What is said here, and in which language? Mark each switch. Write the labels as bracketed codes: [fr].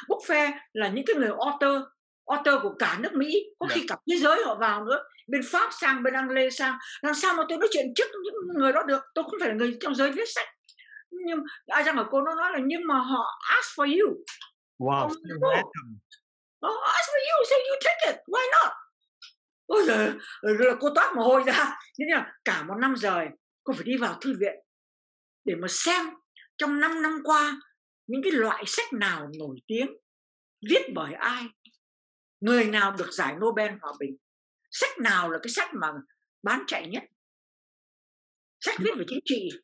[vi] Book Fair là những cái người author của cả nước Mỹ, có khi cả thế giới họ vào nữa, bên Pháp sang, bên Anh Lê sang, làm sao mà tôi nói chuyện trước những người đó được, tôi không phải là người trong giới viết sách. Nhưng ai rằng ở cô nó nói là nhưng mà họ [en] ask for you. Ask for you, so you take it, why not? [vi] Ôi giời, là cô toát mồ hôi ra. Nhưng mà cả một năm rồi cô phải đi vào thư viện để mà xem trong 5 năm qua những cái loại sách nào nổi tiếng, viết bởi ai, người nào được giải Nobel Hòa Bình, sách nào là cái sách mà bán chạy nhất, sách viết về chính trị.